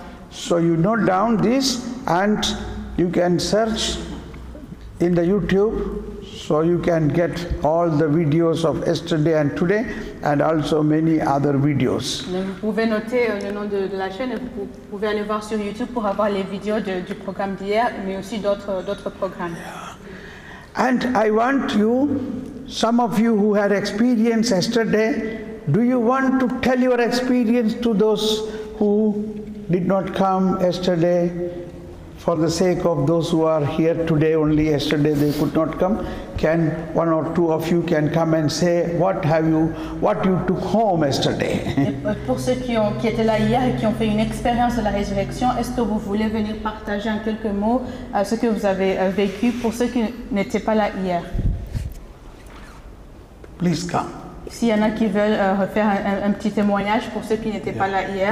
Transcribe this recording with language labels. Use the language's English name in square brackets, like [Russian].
[English] So you note down this and you can search in the YouTube, so you can get all the videos of yesterday and today, and also many other videos. [French] Vous pouvez noter le nom de la chaîne. Vous pouvez aller voir sur YouTube pour avoir les vidéos du programme d'hier, mais aussi d'autres programmes. [English] And I want you, some of you who had experience yesterday, do you want to tell your experience to those who did not come yesterday? For the sake of those who are here today, only yesterday they could not come. Can one or two of you can come and say what you took home yesterday? [French] Pour ceux qui étaient là hier et qui ont fait une expérience de la résurrection, est-ce que vous voulez venir partager en quelques mots ce que vous avez vécu pour ceux qui n'étaient pas là hier? [English] Please come. [French] S'il y en a qui veulent refaire un petit témoignage pour ceux qui n'étaient pas là hier,